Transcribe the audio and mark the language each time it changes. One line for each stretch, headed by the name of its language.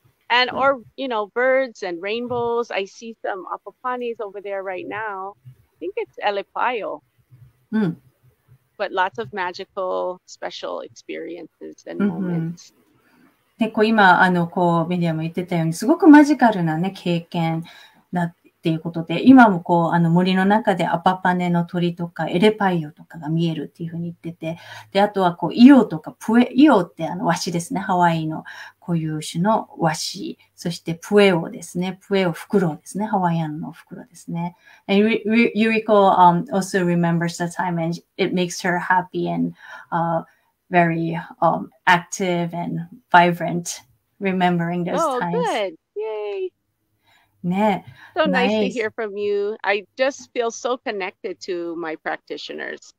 English: And, or, you know, birds and rainbows. I see some apapanis over there right now. I think it's elepayo. But lots of magical, special experiences and moments.
Japanese: で、こう今、こう、メディアも言ってたように、すごくマジカルなね、経験だっていうことで、今もこう、森の中でアパパネの鳥とか、エレパイオとかが見えるっていうふうに言ってて、で、あとはこう、イオとか、プエ、イオって和紙ですね、ハワイの固有種の和紙、そしてプエオですね、プエオ袋ですね、ハワイアンの袋ですね。
English: And Yuriko, also remembers the time and it makes her happy and, very active and vibrant, remembering those times. Oh, good. Yay. ね、 so nice to hear from you. I just feel so connected to my practitioners.